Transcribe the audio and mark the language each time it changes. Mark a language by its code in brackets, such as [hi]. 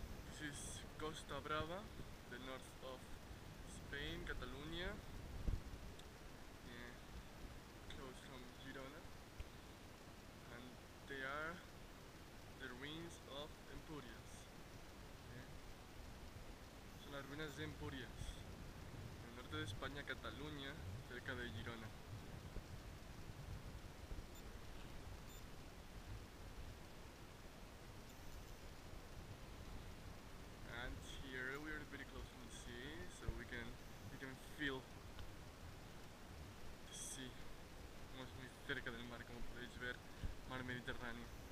[en] This is Costa Brava, the north of Spain, Catalonia, close from Girona, and they are the ruins of Empurias. [es] Son las ruinas de Empurias, en el norte de España, Cataluña, cerca de Girona. [en] And here we are pretty close from the sea, so we can feel the sea. [es] Estamos muy cerca del mar, como podéis ver, mar Mediterráneo.